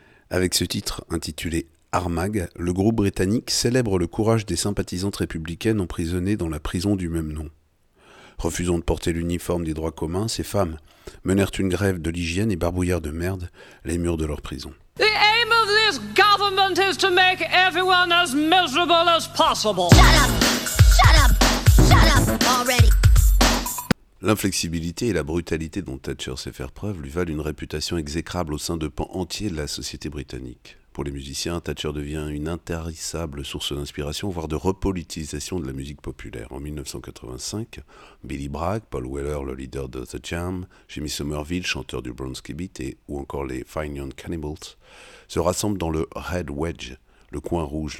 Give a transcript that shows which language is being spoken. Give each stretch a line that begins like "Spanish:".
French: Avec ce titre intitulé Armagh, le groupe britannique célèbre le courage des sympathisantes républicaines emprisonnées dans la prison du même nom. Refusant de porter l'uniforme des droits communs, ces femmes menèrent une grève de l'hygiène et barbouillèrent de merde les murs de leur prison.
English: The aim of this government is to make everyone as miserable as possible. Shut up!
French: L'inflexibilité et la brutalité dont Thatcher sait faire preuve lui valent une réputation exécrable au sein de pans entiers de la société britannique. Pour les musiciens, Thatcher devient une intarissable source d'inspiration, voire de repolitisation de la musique populaire. En 1985, Billy Bragg, Paul Weller, le leader de The Jam, Jimmy Somerville, chanteur du Bronski Beat, et ou encore les Fine Young Cannibals, se rassemblent dans le Red Wedge, le coin rouge.